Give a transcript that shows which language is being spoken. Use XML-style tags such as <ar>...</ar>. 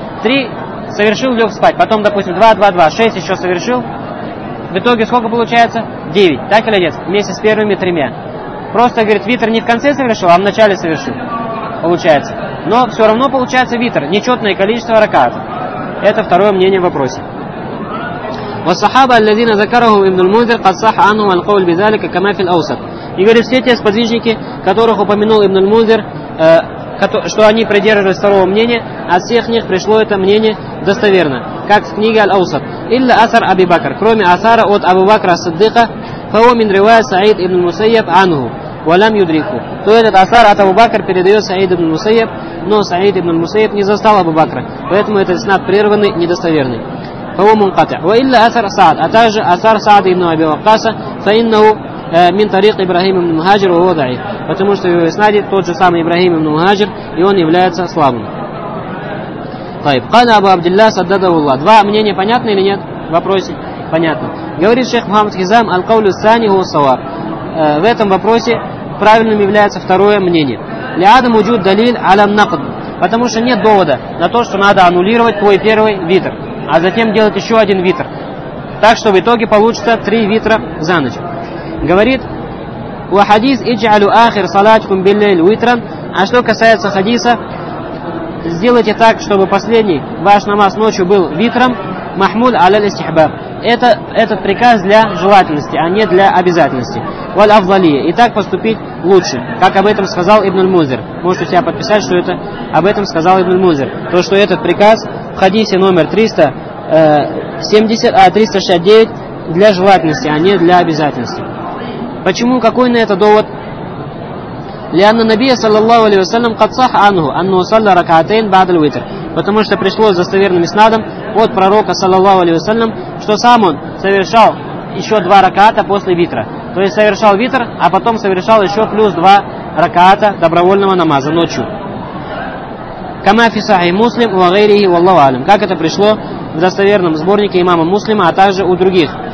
<ru>Три совершил, лег спать, потом, допустим, два, два, два, шесть еще совершил. В итоге сколько получается? Девять, так или нет? Вместе с первыми тремя. Просто, говорит, витр не в конце совершил, а в начале совершил, получается. Но все равно получается витр, нечетное количество ракаатов. Это второе мнение в вопросе.</ru> <ar>والصحابة الذين ذكرهم ابن المنذر قد صح عنهم القول بذلك كما في الأوسط.</ar> <ru>И говорит, все те сподвижники, которых упомянул ибн аль-Мунзир, что они придерживались второго мнения, от всех них пришло это мнение достоверно, как в книге аль-Аусат. Илля асар Аби Бакр, кроме асара от Абу Бакра ас-Сиддика,</ru> <ar>фау мин ривая Саид ибн аль-Мусайяб анху,</ar> <ru>валям юдрику. То этот асар от Абу Бакр передает Саид ибн аль-Мусайяб, но Саид ибн аль-Мусайяб не застал Абу Бакра, поэтому этот снад прерванный, недостоверный.</ru> <ar>وإلا أثر سعد أتاج أثر سعد ابن أبي وقاص فإنه من طريق إبراهيم بن مهاجر وهو ضعيف</ar> <ru>потому что его</ru> <ar>اسناد</ar> <ru>тот же самый</ru> <ar>إبراهيم بن مهاجر</ar> <ru>и он является слабым.</ru> <ar>طيب قال أبو عبد الله سدده الله.</ar> <ru>Два мнения понятны или нет? Вопросы понятны. Говорит шейх Мухаммад Хизам</ru> <ar>القول الثاني هو الصواب.</ar> <ru>В этом вопросе правильным является второе мнение.</ru> <ar>لعدم وجود دليل على النقد.</ar> <ru>Потому что нет довода на то, что надо аннулировать твой первый витр, а затем делать еще один витр. Так что в итоге получится три витра за ночь.</ru> <ar>Говорит, وَحَدِيثْ اِجْعَلُ آخِرْ صَلَاتْكُمْ بِاللَّيْلْ وِتْرًا.</ar> <ru>А что касается хадиса, сделайте так, чтобы последний ваш намаз ночью был витром.</ru> <ar>مَحْمُولَ عَلَى الْإِسْتِحْبَابِ.</ar> <ru>Этот приказ для желательности, а не для обязательности.</ru> <ar>وَالْأَفْضَلِيَ.</ar> <ru>И так поступить лучше, как об этом сказал Ибн аль-Мунзир. Можете себя подписать, что это об этом сказал Ибн аль-Мунзир. То, что этот приказ в хадисе номер 369 для желательности, а не для обязательности. Почему? Какой на это довод?</ru> <ar>لأن النبي صلى الله عليه وسلم قد صح عنه أنه صلى ركعتين بعد الوتر.</ar> <ru>Потому что пришло с достоверным иснадом от пророка, саллаллаху алейхи ва саллям, что сам он совершал еще два раката после витра. То есть совершал витр, а потом совершал еще плюс два раката добровольного намаза ночью.</ru> <ar>Кама фи сахих муслим ва гайрихи валлаху алям.</ar> <ru>Как это пришло в достоверном сборнике имама Муслима, а также у других.</ru>